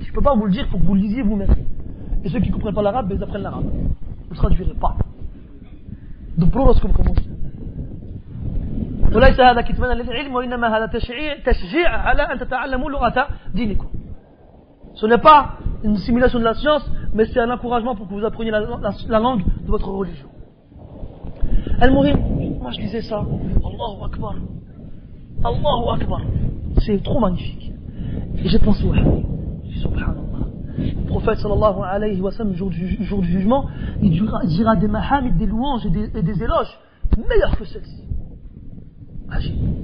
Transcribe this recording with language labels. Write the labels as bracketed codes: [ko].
[fr] Je ne peux pas vous le dire, il faut que vous le lisiez vous-même. Et ceux qui ne comprennent pas l'arabe, ils apprennent l'arabe. Vous ne traduirez pas. Donc, pour lorsqu'on commence. [ar] وليس هذا كتمانا للعلم وإنما هذا تشجيع على أن تتعلموا لغة دينكم. [fr] Ce n'est pas une simulation de la science, mais c'est un encouragement pour que vous appreniez la langue de votre religion. Al-Mourim, moi je disais ça, Allahu Akbar, Allahu Akbar, c'est trop magnifique. Et j'ai pensé, ouais, subhanallah, le prophète sallallahu alayhi wa sallam, jour du jugement, il dira des mahamid, des louanges et des éloges meilleurs que celle-ci. Agis.